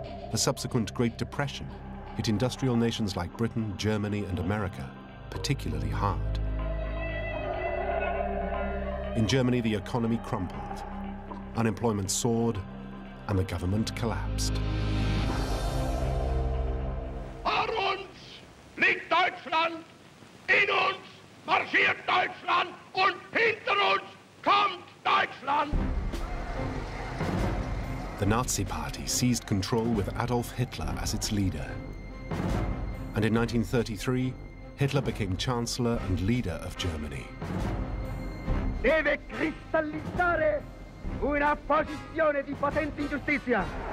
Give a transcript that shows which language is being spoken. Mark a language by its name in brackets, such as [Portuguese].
[English] The subsequent Great Depression hit industrial nations like Britain, Germany, and America particularly hard. In Germany, the economy crumpled, unemployment soared, and the government collapsed. [German] Vor uns liegt Deutschland, in uns marschiert Deutschland, und hinter uns kommt Deutschland. [English] The Nazi Party seized control with Adolf Hitler as its leader. And in 1933, Hitler became Chancellor and leader of Germany. [Italian] Deve cristallizzare una posizione di patente ingiustizia.